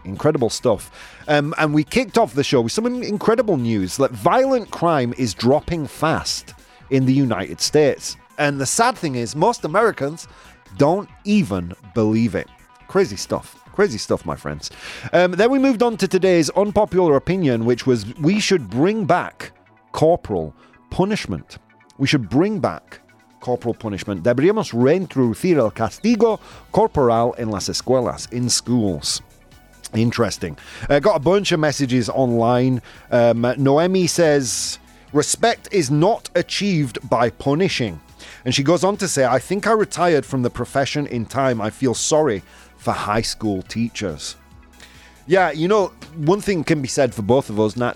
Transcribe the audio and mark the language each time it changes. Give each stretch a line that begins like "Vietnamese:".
English: Incredible stuff. And we kicked off the show with some incredible news that violent crime is dropping fast in the United States. And the sad thing is, most Americans don't even believe it. Crazy stuff. Crazy stuff, my friends. Then we moved on to today's unpopular opinion, which was we should bring back corporal punishment. We should bring back corporal punishment.
Spanish: Deberíamos reintroducir el castigo corporal en las escuelas,
English: in schools. Interesting. Got a bunch of messages online. Noemi says, respect is not achieved by punishing. And she goes on to say, I think I retired from the profession in time. I feel sorry for high school teachers. Yeah, you know, one thing can be said for both of us.